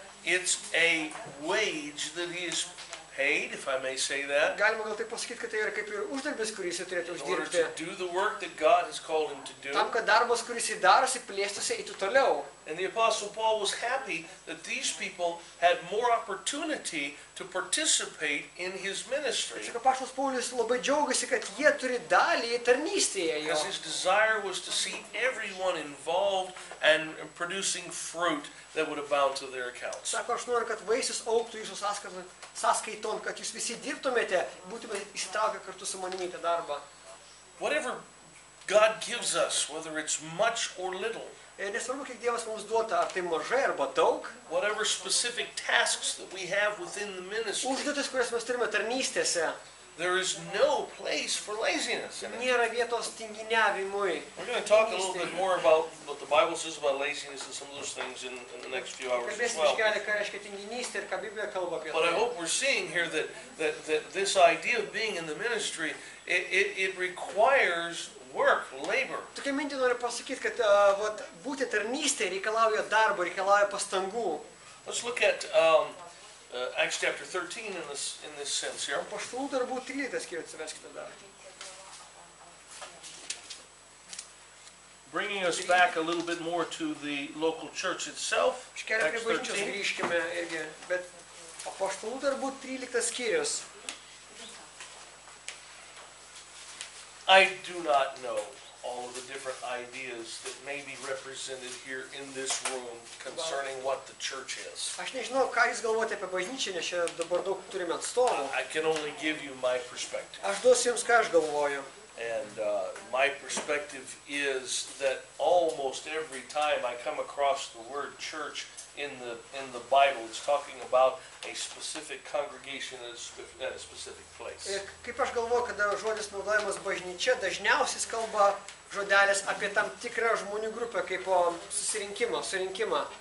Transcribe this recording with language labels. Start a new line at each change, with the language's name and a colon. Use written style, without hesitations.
English: It's a wage that he is paid, if I may say that.
Lithuanian: Galima gal taip pasakyti, kad tai yra kaip ir uždarbis, kurį jis turėtų uždirbti.
English: To do the work that God has called him to do.
Lithuanian: Tam, kad darbas, kurį jis darosi, plėstųsi, eitų toliau.
English: And the Apostle Paul was happy that these people had more opportunity to participate in his ministry.
Lithuanian: Tiesiog apaštalas Paulius labai džiaugiasi, kad jie turi dalį tarnystėje jo.
English: His desire was to see everyone involved and producing fruit that would abound to their accounts.
Lithuanian: Sako, aš noriu, kad vaisius augtų jūsų sąskaiton, kad jūs visi dirbtumėte, būtumėte įsitraukę kartu su manimi į darbą.
English: Whatever God gives us, whether it's much or little,
Lithuanian: nesvarbu, kiek Dievas mums duota, ar tai mažai, arba daug.
English: Whatever specific tasks that we have within the ministry.
Lithuanian: Užduotis, kurias mes turime tarnystėse.
English: There is no place for laziness.
Lithuanian: Nėra vietos tinginiavimui.
English: We're going to talk a little bit more about what the Bible says about laziness and some of those things in the next few hours as well. But I hope we're seeing here that this idea of being in the ministry, it requires work, labor.
Lithuanian: Tokia mintį noriu pasakyti, kad vat būti tarnystėje reikalauja darbo, reikalauja pastangų.
English: Let's look at Acts chapter 13 in this sense here.
Lithuanian: Apaštalų darbų 13 skyrius atsiverskite dar.
English: Bringing us back a little bit more to the local church itself.
Lithuanian: Iškelia prie bažnyčios grįžkime irgi, bet apaštalų darbų 13 skyrius.
English: I do not know all of the different ideas that may be represented here in this room concerning what the church is.
Lithuanian: Aš nežinau, ką jūs galvojate apie bažnyčią, čia dabar daug turime atstovų.
English: I can only give you my perspective.
Lithuanian: Aš duosiu jums, ką aš galvoju.
English: And my perspective is that almost every time I come across the word church in the Bible, it's talking about a specific congregation at a specific place.
Lithuanian: Kaip aš galvoju, kada žodis naudojamas bažnyčia, dažniausiai kalba žodelis apie tam tikrą žmonių grupę, kaip susirinkimą.